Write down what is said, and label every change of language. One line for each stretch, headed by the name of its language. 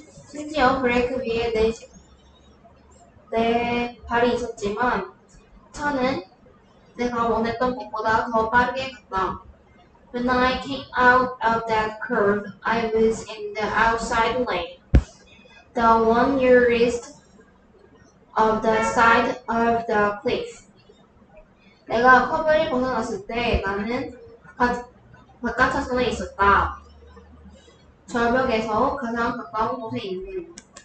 Korean: 심지어 브레이크 위에 내 발이 있었지만 차는 내가 원했던 것보다 더 빠르게 갔다.
English: When I came out of that curve, I was in the outside lane, the one nearest of the side of the cliff.
Korean: 내가 커브를 벗어났을 때 나는 바깥 차선에 있었다. 절벽에서 가장 가까운 곳에 있는.